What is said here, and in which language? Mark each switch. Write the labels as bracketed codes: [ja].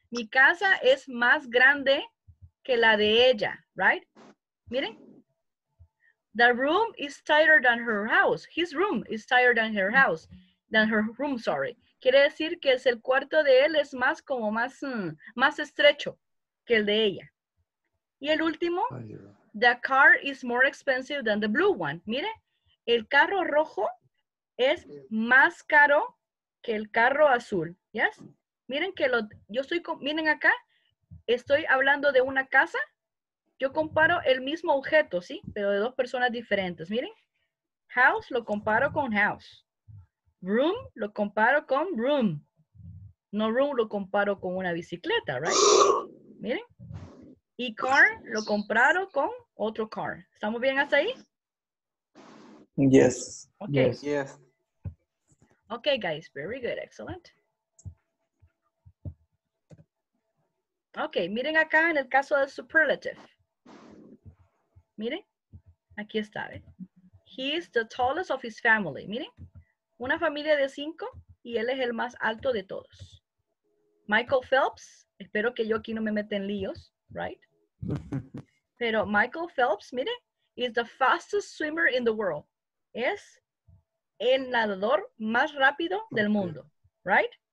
[es] Mi casa es más grande que la de ella. [en] Right? [es] Miren. [en] The room is tighter than her house. His room is tighter than her house. Than her room, sorry. [es] Quiere decir que es el cuarto de él es más como más, más estrecho que el de ella. Y el último, [en] the car is more expensive than the blue one. [es] Mire, el carro rojo es más caro que el carro azul. [en] Yes? [es] Miren que miren acá, estoy hablando de una casa. Yo comparo el mismo objeto, ¿sí? Pero de dos personas diferentes. Miren, house lo comparo con house. Room lo comparo con room. No room lo comparo con una bicicleta, [en] right? [es] Miren. Y car lo comparo con otro car. ¿Estamos bien hasta ahí? [en] Yes. Okay. Yes. Yes. Okay, guys. Very good. Excellent. [es] Okay, miren acá en el caso del superlative. Miren, aquí está. ¿Eh? [en] He is the tallest of his family. [es] Miren, una familia de cinco y él es el más alto de todos. Michael Phelps, espero que yo aquí no me meta en líos, [en] right? [es] Pero [en] Michael Phelps, [es] miren, [en] is the fastest swimmer in the world. [es] Es el nadador más rápido del mundo, [en] right?